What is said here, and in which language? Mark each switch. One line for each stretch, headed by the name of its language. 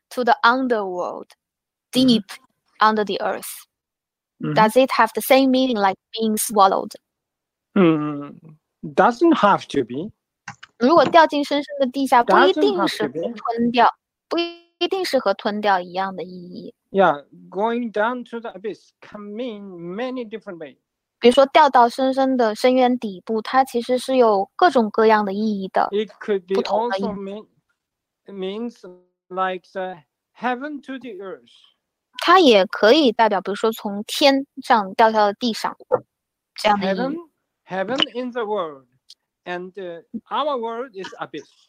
English: To the underworld, deep under the earth. Does it have the same meaning like being swallowed? Doesn't have to be.
Chinese: 如果掉进深深的地下，不一定是吞掉，不一定是和吞掉一样的意义。
English: Yeah, going down to the abyss can mean many different ways.
Chinese: 比如说掉到深深的深渊底部，它其实是有各种各样的意义的。
English: It could be also means. Like the heaven to the earth,
Chinese: 它也可以代表，比如说从天上掉到地上，这样的意思。
English: Heaven in the world, and our world is abyss.